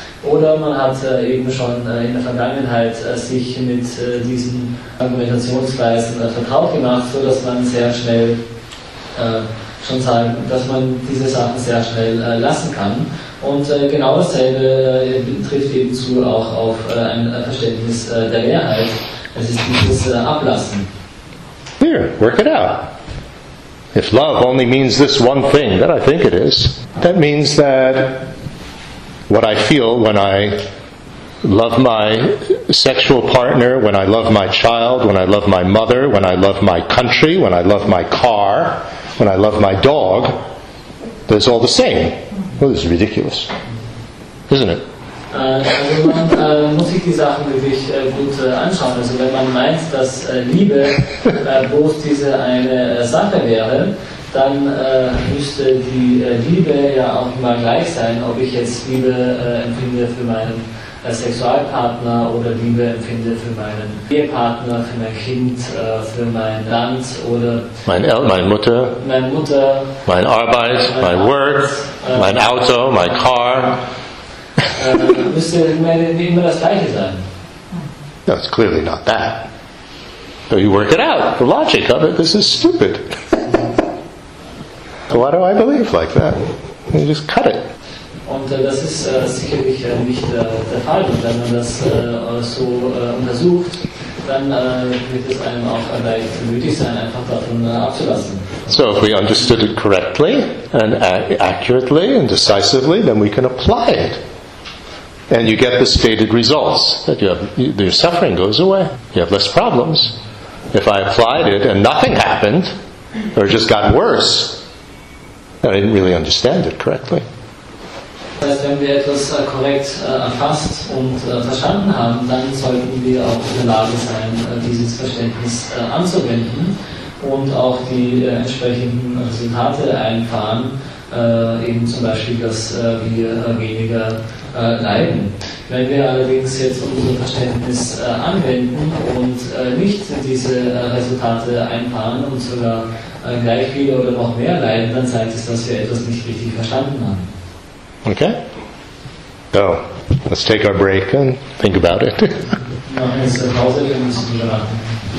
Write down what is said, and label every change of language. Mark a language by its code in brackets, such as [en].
[de] Oder man hat eben schon in der Vergangenheit sich mit diesen Argumentationsweisen vertraut gemacht, sodass man sehr schnell schon sagen, dass man diese Sachen sehr schnell lassen kann. Und genau dasselbe trifft eben zu auch auf ein Verständnis der Leerheit. Es ist dieses Ablassen. [en] Here, work it out. If love only means this one thing, that I think it is, that means that what I feel when I love my sexual partner, when I love my child, when I love my mother, when I love my country, when I love my car, when I love my dog, that's all the same. Well, this is ridiculous, isn't it? [de] Man muss sich die Sachen wirklich gut anschauen. Also wenn man meint, dass Liebe bloß diese eine Sache wäre, dann müsste die Liebe ja auch immer gleich sein, ob ich jetzt Liebe empfinde für meinen Sexualpartner oder Liebe empfinde für meinen Ehepartner, für mein Kind, für mein Land oder meine Mutter, meine Arbeit, mein Work, mein Auto, mein Car. Müsste immer das Gleiche sein. [en] No, it's clearly not that. So you work it out. The logic of it, this is stupid. Why do I believe like that? You just cut it. [de] Und das ist sicherlich nicht der Fall. Und wenn man das so untersucht, dann wird es einem auch vielleicht nötig sein, einfach davon abzulassen. [en] So if we understood it correctly and accurately and decisively, then we can apply it. And you get the stated results, that your suffering goes away. You have less problems. If I applied it and nothing happened, or just got worse, then I didn't really understand it correctly. [de] Das heißt, wenn wir etwas korrekt erfasst und verstanden haben, dann sollten wir auch in der Lage sein, dieses Verständnis anzuwenden und auch die entsprechenden Resultate einfahren, eben zum Beispiel, dass wir weniger leiden. Wenn wir allerdings jetzt unser Verständnis anwenden und nicht diese Resultate einfahren und sogar gleich wieder oder noch mehr leiden, dann zeigt es, dass wir etwas nicht richtig verstanden haben. [en] Okay? So, let's take our break and think about it.